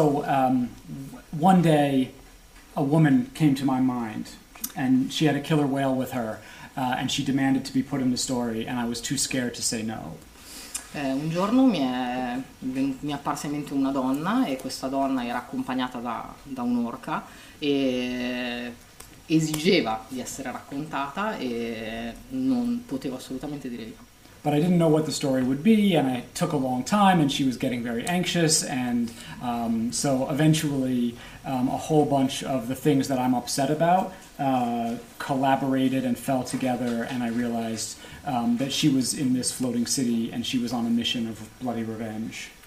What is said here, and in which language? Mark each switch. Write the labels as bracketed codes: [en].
[en] One day a woman came to my mind and she had a killer whale with her and she demanded to be put in the story and I was too scared to say no. [it] Un giorno mi è apparsa in mente una donna e questa donna era accompagnata da un'orca e esigeva di essere raccontata e non potevo assolutamente dire no. [en] But I didn't know what the story would be and it took a long time and she was getting very anxious and so eventually a whole bunch of the things that I'm upset about collaborated and fell together and I realized that she was in this floating city and she was on a mission of bloody revenge.